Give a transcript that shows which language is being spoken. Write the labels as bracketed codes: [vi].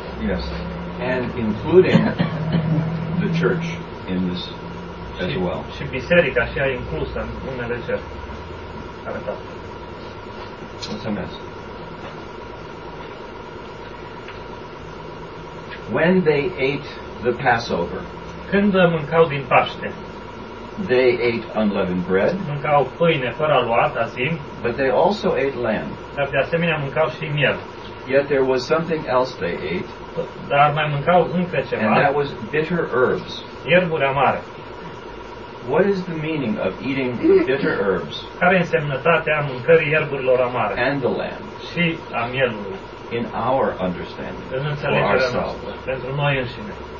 [en] Yes, and including the church in this as well. [ro] Și biserica și-a inclus în unele jertfe. Arătat. Mulțumesc. [en] When they ate the Passover, [ro] când mâncau din Paște, [en] they ate unleavened bread, [ro] mâncau pâine fără aluat, azim, [en] but they also ate lamb. [ro] Dar de asemenea mâncau și miel. [en] Yet there was something else they ate, [ro] dar mai mâncau încă ceva, [en] and that was bitter herbs. [ro] Ierburi amare. [en] What is the meaning of eating bitter herbs? [ro] Care e însemnătatea mâncării ierburilor amare? [en] And the lamb. [ro] Și a mielului. [en] In our understanding, [ro] în înțelegerea [en] for ourselves, [ro] noastră, pentru noi înșine.